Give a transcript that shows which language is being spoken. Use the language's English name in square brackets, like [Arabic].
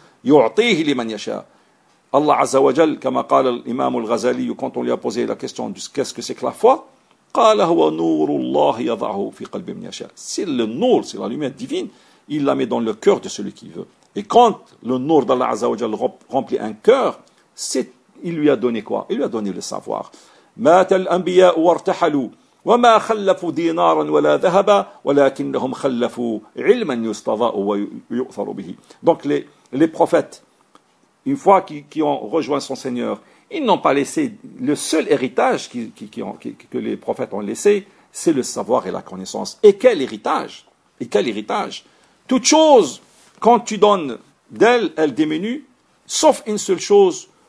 [Arabic] Yu'tihi liman yasha. [French] Allah Azza wa Jal, comme a dit l'imam al-Ghazali, quand on lui a posé la question de qu'est-ce que c'est que la foi, [Arabic] qala huwa nurullah yada'uhu fi qalbi man yasha. [French] C'est le nur, c'est la lumière divine. Il la met dans le cœur de celui qui veut. Et quand le nur d'Allah Azza wa Jal remplit un cœur, il lui a donné quoi? Il lui a donné le savoir. [Arabic] Mata al-anbiya wa irtahalu. وما خلفوا دينارا ولا ذهبا ولكنهم خلفوا علما يستضاء ويؤثر به. [French] Donc les prophètes, une fois qu'ils ont rejoint son Seigneur, ils n'ont pas laissé le seul héritage que les prophètes ont laissé, c'est le savoir et la connaissance. Et quel héritage? Et quel héritage? Toute chose, quand tu donnes d'elle, elle diminue, sauf une seule chose.